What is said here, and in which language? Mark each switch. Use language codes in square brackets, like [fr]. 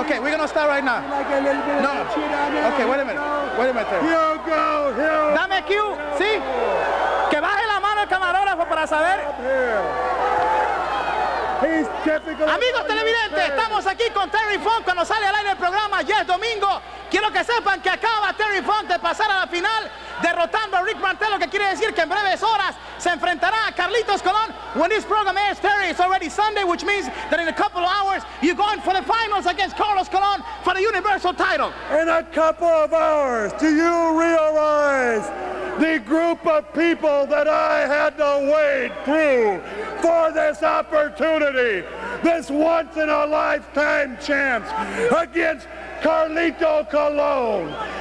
[en] Okay, we're gonna start right now. Like a little bit of shit on here. Okay, wait a minute, Terry. Here we go, here we go. [es] Dame cue, sí. Que baje la mano el camarógrafo para saber. Amigos televidentes, estamos aquí con Terry Funk cuando sale al aire el programa. Ya es domingo. Quiero que sepan que acaba Terry Funk de pasar a la final derrotando a Rick Martel, lo que quiere decir que en breves horas se enfrentará a Carlitos Colón. [en] When this program airs, Terry, it's already Sunday, which means that in a couple of hours you're going for the finals against Carlos Colón for the Universal title. In a couple of hours, do you realize the group of people that I had to wade through for this opportunity, this once-in-a-lifetime chance against Carlito Colón?